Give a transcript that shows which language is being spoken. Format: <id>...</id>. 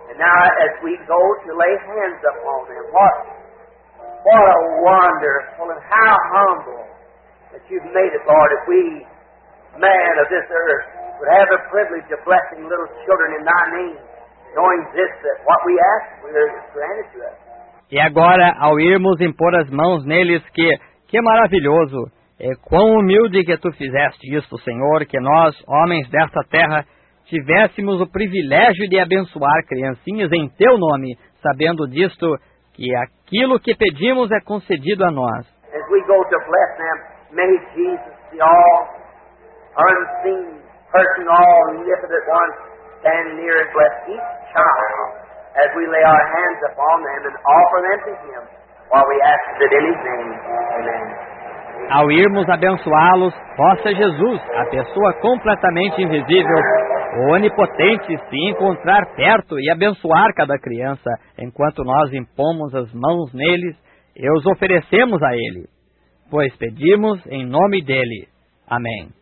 <en>Now, as we go to lay hands upon them, what a wonderful and how humble that You've made it, Lord, if we, man of this earth, would have the privilege of blessing little children in Thy name, knowing this, that what we ask, we are granted to us.</en> <pt>E agora, ao irmos impor as mãos neles, que maravilhoso, é quão humilde que Tu fizeste isto, Senhor, que nós, homens desta terra, tivéssemos o privilégio de abençoar criancinhas em Teu nome, sabendo disto, que aquilo que pedimos é concedido a nós.</pt> <en>As we go to bless them, may Jesus, the all unseen, person, all omnipotent one, stand near and bless each child as we lay our hands upon them and offer them to Him while we ask it in His name. Amen.</en> <pt>Ao irmos abençoá-los, possa Jesus, a pessoa completamente invisível, o Onipotente, se encontrar perto e abençoar cada criança, enquanto nós impomos as mãos neles e os oferecemos a Ele, pois pedimos em nome dEle. Amém.</pt>